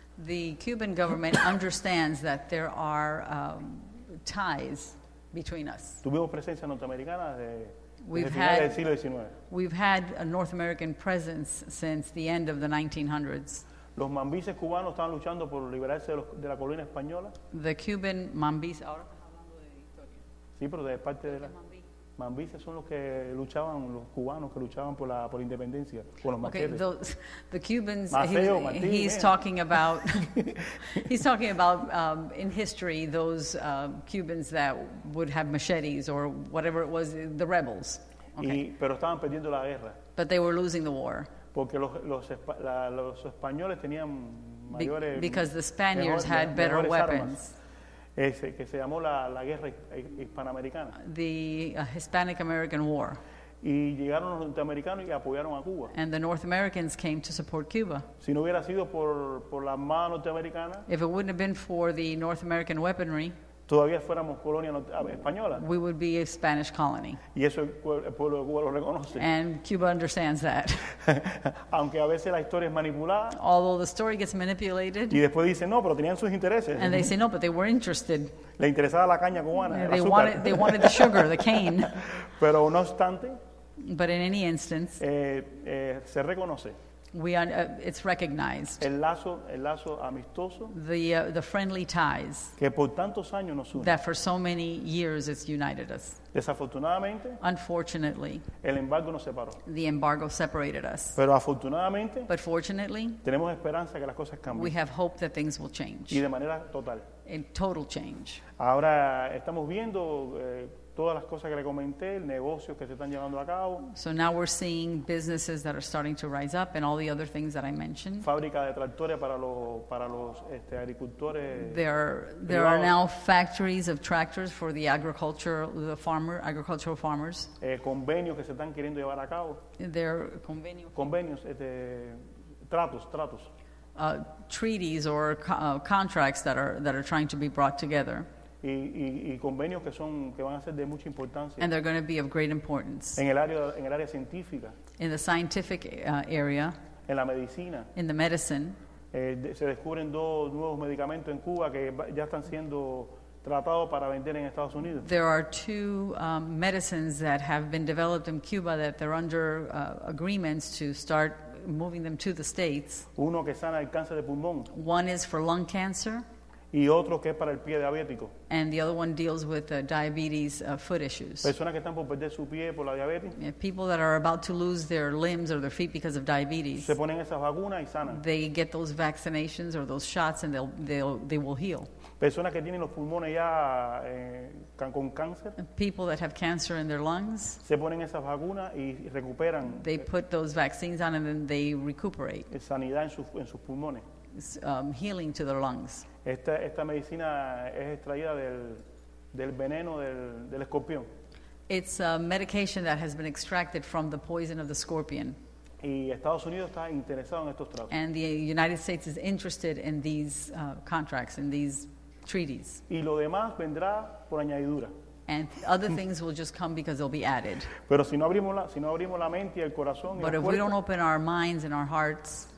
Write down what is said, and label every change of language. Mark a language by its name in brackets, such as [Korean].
[English] The Cuban government understands that there are ties between us. [Spanish] Tuvimos presencia norteamericana desde el siglo XIX. [English] We've had a North American presence since the end of the 1900s. [Spanish] Los mambises cubanos estaban luchando por liberarse de la colonia española. [English] The Cuban mambises. [Spanish] Ahora estás hablando de historia. Sí, pero de parte de la. Mambises son los que luchaban, los cubanos que luchaban por la independencia, por los [English] okay, [Spanish] maceos. [English] The Cubans, Maceo, he's talking about, he's talking about in history, those Cubans that would have machetes or whatever it was, the rebels. Okay. [Spanish] Pero estaban perdiendo la guerra. [English] But they were losing the war. [Spanish] Porque los españoles tenían mayores... [English] Because the Spaniards had better weapons. [Spanish] Armas. Ese, que se llamó la guerra hispanoamericana. [English] The Hispanic American War. [Spanish] Y llegaron los norteamericanos y apoyaron a Cuba. [English] And the North Americans came to support Cuba. [Spanish] Si no hubiera sido por la Armada norteamericana. [English] If it wouldn't have been for the North American weaponry. [Spanish] Todavía fuéramos colonia española. [English] We would be a Spanish colony. [Spanish] Y eso el pueblo de Cuba lo reconoce. [English] And Cuba understands that. [Spanish] Aunque a veces la historia es manipulada. [English] Although the story gets manipulated. [Spanish] Y después dicen, no, pero tenían sus intereses. [English] And they say, no, but they were interested. [Spanish] Le interesaba la caña cubana, [English] they [Spanish] el azúcar. [English] They wanted the sugar, the cane. [Spanish] Pero no obstante. [English] But in any instance. [Spanish] Se reconoce. [English] It's recognized. [Spanish] El lazo amistoso, [English] the friendly ties [Spanish] que por tantos años nos une, [English] that for so many years it's united us. [Spanish] Desafortunadamente, [English] unfortunately, [Spanish] el embargo nos separó. [English] The embargo separated us. [Spanish] Pero afortunadamente, [English] but fortunately, [Spanish] tenemos esperanza que las cosas cambien. [English] We have hope that things will change. [Spanish] Y de manera total. [English] In total change. [Spanish] Ahora estamos viendo todas las cosas que le comenté, el negocio que se están llevando a cabo. [English] So now we're seeing businesses that are starting to rise up and all the other things that I mentioned. [Spanish] Fábrica de tractores para los agricultores. [English] There are now factories of tractors for the agricultural farmers. [Spanish] Convenios que se están queriendo llevar a cabo. [English] There are convenios, [Spanish] tratos. [English] Treaties or contracts that are trying to be brought together. [Spanish] Y convenios que son que van a ser de mucha importancia. [English] And they're going to be of great importance. [Spanish] En el área científica. [English] In the scientific area. [Spanish] En la medicina. [English] In the medicine. [Spanish] Se descubren dos nuevos medicamentos en Cuba que ya están siendo tratados para vender en Estados Unidos. [English] There are two medicines that have been developed in Cuba that they're under agreements to start moving them to the States. [Spanish] Uno que sana el cáncer de pulmón. [English] One is for lung cancer. [Spanish] Y otro que es para el pie diabético. [English] And the other one deals with diabetes foot issues. [Spanish] Personas que están por perder su pie por la diabetes. [English] Yeah, people that are about to lose their limbs or their feet because of diabetes. [Spanish] Se ponen esas vacunas y sanan. [English] They get those vaccinations or those shots and they will heal. [Spanish] Personas que tienen los pulmones ya con cáncer. [English] People that have cancer in their lungs. [Spanish] Se ponen esas vacunas y recuperan. [English] They put those vaccines on and then they recuperate. [Spanish] Sanidad en sus pulmones. [English] Healing to their lungs. [Spanish] Esta medicina es extraída del veneno del escorpión. [English] It's a medication that has been extracted from the poison of the scorpion. [Spanish] Y Estados Unidos está interesado en estos tratos. [English] And the United States is interested in these contracts, in these treaties. [Spanish] Y lo demás vendrá por añadidura. [English] And other things will just come because they'll be added. [Spanish] Pero si no abrimos la, si no abrimos la mente y el corazón, [English] but [Spanish] y [English] if [Spanish] el cuerpo, [English] we don't open our minds and our hearts,